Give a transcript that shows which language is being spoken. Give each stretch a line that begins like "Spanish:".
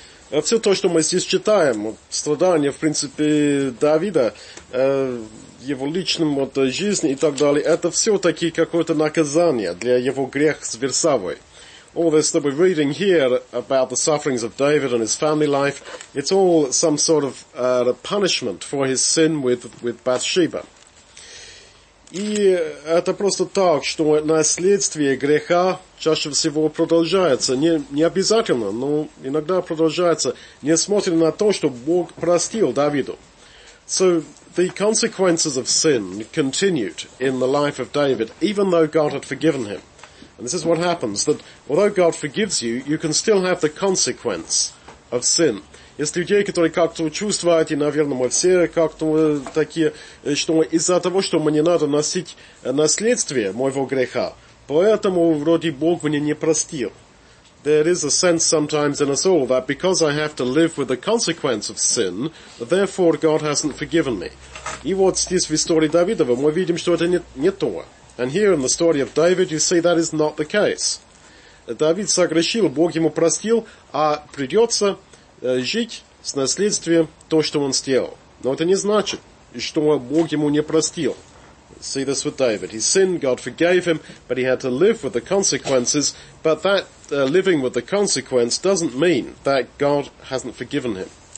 Russian: А все то, что мы здесь читаем, страдания, в принципе, Давида, его личную вот, жизнь и так далее, это все-таки какое-то наказание для его грех с Версавой.
English: All this that we're reading here about the sufferings of David and his family life, it's all some sort of punishment for his sin with Bathsheba.
Russian: И это просто так, что наследствие греха чаще всего продолжается. Не обязательно, но иногда продолжается, несмотря на то, что Бог простил Давиду.
English: So the consequences of sin continued in the life of David, even though God had forgiven him. And this is what happens, that although God forgives you, you can still have the consequence of sin.
Russian: Есть люди, которые как-то чувствуют, и, наверное, мы все как-то такие, что из-за того, что мне надо носить наследствие моего греха, поэтому вроде Бог мне не простил.
English: There is a sense sometimes in us all that because I have to live with the consequence of sin, therefore God hasn't forgiven me.
Russian: И вот здесь в истории Давидова мы видим, что это не то.
English: And here in the story of David, you see that is not the case.
Russian: Давид согрешил, Бог ему простил, а придется жить с наследствием то, что он сделал. Но это не значит, что Бог ему не простил.
English: See this with David. He sinned, God forgave him, but he had to live with the consequences. But that living with the consequence doesn't mean that God hasn't forgiven him.